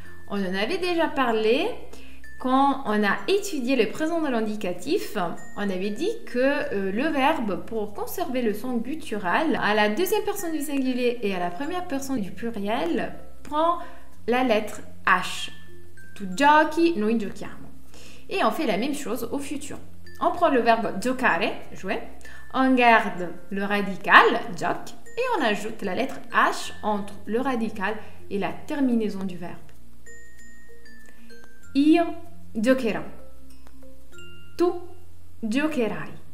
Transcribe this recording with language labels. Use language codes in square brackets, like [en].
[fr] On en avait déjà parlé quand on a étudié le présent de l'indicatif, on avait dit que le verbe pour conserver le son guttural à la deuxième personne du singulier et à la première personne du pluriel prend la lettre H. [it] Tu giochi, noi giochiamo. [fr] Et on fait la même chose au futur. On prend le verbe giocare, jouer, on garde le radical, gioc, et on ajoute la lettre H entre le radical et la terminaison du verbe. [it] Io giocherò. Tu giocherai.